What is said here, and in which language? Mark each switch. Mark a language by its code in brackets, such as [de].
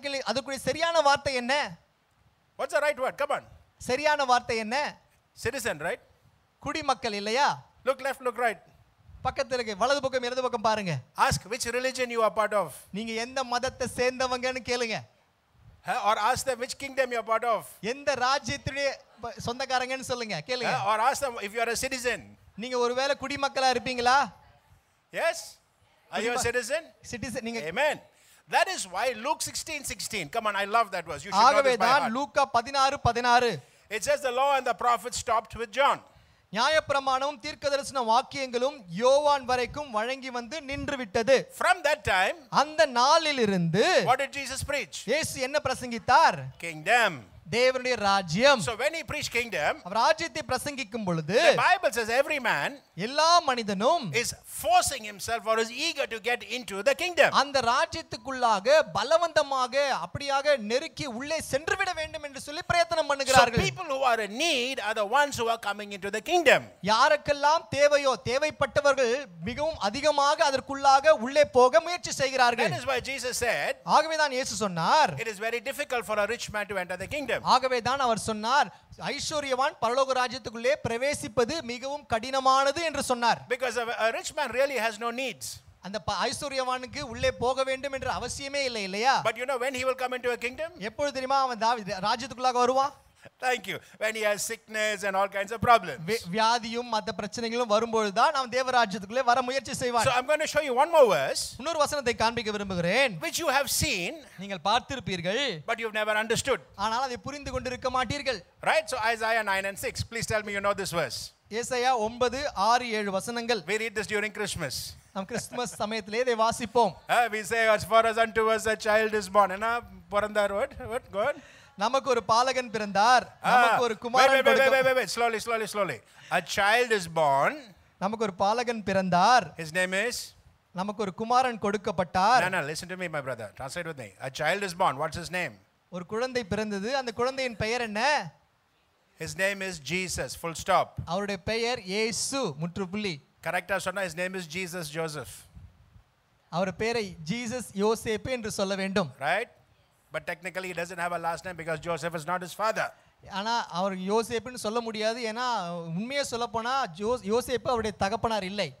[ta] அதுக்குரிய சரியான வார்த்தை என்ன? [en] What's the right word? Come on. [ta] சரியான வார்த்தை என்ன? [en] Citizen, right? [ta] குடிமக்கள் இல்லையா? [en] Look left, look right. [ta] பக்கத்துல இருக்க வலது பக்கம் இடது பக்கம் பாருங்க. [en] Ask which religion you are part of. [ta] நீங்க எந்த மதத்தை சேர்ந்தவங்கன்னு கேளுங்க. [en] Or ask them which kingdom you are part of. [ta] எந்த ராஜ்யத்தினுடைய சொந்தக்காரங்கன்னு சொல்லுங்க, கேளுங்க. [en] Or ask them if you are a citizen. [ta] நீங்க ஒருவேளை குடிமக்களா இருப்பீங்களா? [en] Yes. Are you a citizen? [ta] Citizen நீங்க. [en] Amen. That is why Luke 16:16. Come on, I love that verse. You should know this by heart. [ta] Luca 16:16. [en] It says the law and the prophets stopped with John. [ta] நியாயப்பிரமாணமும் தீர்க்கதரிசன வாக்கியங்களும் யோவான் வரைக்கும் வழங்கி வந்து நின்று விட்டது. [en] From that time, [ta] அந்த நாளிலிருந்து, [en] what did Jesus preach? [ta] இயேசு என்ன பிரசங்கித்தார்? [en] Kingdom. [ta] தேவனுடைய ராஜ்யம். [en] So when he preached kingdom, [ta] அவர் ராஜ்யத்தை பிரசங்கிக்கும் பொழுது, [en] the Bible says every man, [ta] எல்லா மனிதனும், [en] is forcing himself or is eager to get into the kingdom. [ta] அந்த ராஜ்யத்துக்குள்ளாக பலவந்தமாக அப்படியாக நெருக்கி உள்ளே சென்று விட வேண்டும் என்று சொல்லி பிரயத்தனம் பண்ணுகிறார்கள். [en] So people who are in need are the ones who are coming into the kingdom. [ta] யாருக்கெல்லாம் தேவையோ, தேவைப்பட்டவர்கள் மிகவும் அதிகமாக அதற்குள்ளாக உள்ளே போக முயற்சி செய்கிறார்கள். [en] That is why Jesus said, [ta] ஆகவேதான் இயேசு சொன்னார், [en] it is very difficult for a rich man to enter the kingdom. [ta] ஆகவேதான் அவர் சொன்னார், ஐஸ்வர்யவான் பரலோக ராஜ்யத்துக்குள்ளே பிரவேசிப்பது மிகவும் கடினமானது என்று சொன்னார். [en] Because a rich man really has no needs. [ta] அந்த ஐஸ்வர்யவானுக்கு உள்ளே போக வேண்டும் என்ற அவசியமே இல்லை இல்லையா? [en] But you know when he will come into a kingdom? [ta] எப்பொழுது தெரியுமா அவன் தாவீது ராஜ்யத்துக்குள்ளாக வருவான்? [en] Thank you. When he has sickness and all kinds of problems. [ta] வியாதியும் மற்ற பிரச்சனைகளும் வரும்போது தான் அவன் தேவராஜ்யத்துக்குள்ளே வர முயற்சி செய்வான். [en] So I'm going to show you one more verse. [ta] இன்னொரு வசனத்தை காண்பிக்க விரும்புகிறேன். [en] Which you have seen. [ta] நீங்கள் பார்த்திருப்பீர்கள். [en] But you've never understood. [ta] ஆனால் அதை புரிந்து கொண்டிருக்க மாட்டீர்கள். [en] Right? So Isaiah 9 and 6. Please tell me you know this verse. [ta] ஏசாயா 9:6-7 வசனங்கள். [en] We read this during Christmas. [ta] நாம் கிறிஸ்துமஸ் சமயத்திலே இதை வாசிப்போம். [en] We say as far as unto us a child is born. [ta] என்ன பிறந்தார் [en] what go on. [ta] நமக்கு ஒரு பாலகன் பிறந்தார். நமக்கு ஒரு குமாரன் பிறந்தார். [en] Slowly. A child is born. [ta] நமக்கு ஒரு பாலகன் பிறந்தார். [en] His name is [ta] நமக்கு ஒரு குமாரன் கொடுக்கப்பட்டார். [en] No, listen to me my brother. Translate with me. A child is born. What's his name? [ta] ஒரு குழந்தை பிறந்தது. அந்த குழந்தையின் பெயர் என்ன? [en] His name is Jesus. Full stop. [ta] அவருடைய பெயர் இயேசு. முற்றுப்புள்ளி. கரெக்டா சொன்னா [en] his name is Jesus Joseph. [ta] அவர் பெயரை ஜீசஸ் யோசேப் என்று சொல்ல வேண்டும். [en] Right? But technically he doesn't have a last name because Joseph is not his father. [ta] ஆனா அவர் யோசேப்னு சொல்ல முடியாது. ஏனா உண்மையே சொல்ல போனா யோசேப்பு அவருடைய தகப்பனார் இல்லை.